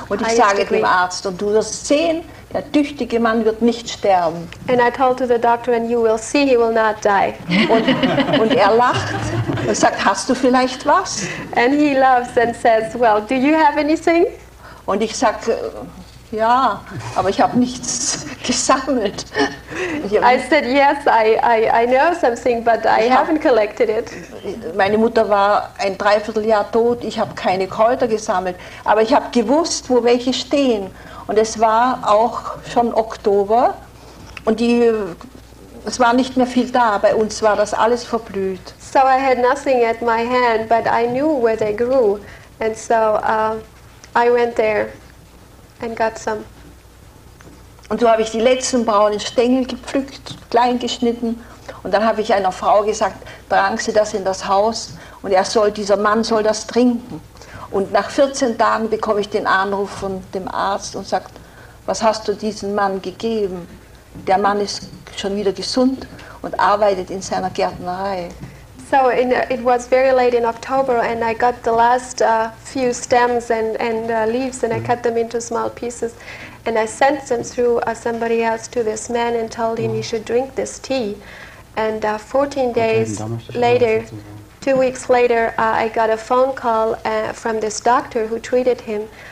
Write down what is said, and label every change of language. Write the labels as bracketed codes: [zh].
[de] Und ich sage dem Arzt, und du wirst sehen, der tüchtige Mann wird nicht sterben. [en] And I told to the doctor, and you will see, he will not die. [de] Und er lacht und sagt, hast du vielleicht was? [en] And he laughs and says, well, do you have anything? [de] Und ich sage, ja, aber ich habe nichts gesammelt. [en] I said, yes, I know something, but I haven't collected it. [de] Meine Mutter war ein Dreivierteljahr tot, ich habe keine Kräuter gesammelt, aber ich habe gewusst, wo welche stehen. Und es war auch schon Oktober und es war nicht mehr viel da, bei uns war das alles verblüht. [en] So I had nothing at my hand, but I knew where they grew. And so I went there and got some. [de] Und so habe ich die letzten braunen Stängel gepflückt, klein geschnitten. Und dann habe ich einer Frau gesagt, tragen Sie das in das Haus und dieser Mann soll das trinken. Und nach 14 Tagen bekomme ich den Anruf von dem Arzt und sagt, was hast du diesem Mann gegeben? Der Mann ist schon wieder gesund und arbeitet in seiner Gärtnerei. [en] So it was very late in October and I got the last few stems and leaves and I cut them into small pieces. And I sent them through somebody else to this man and told him he should drink this tea. And 14 days later, 2 weeks later, I got a phone call from this doctor who treated him.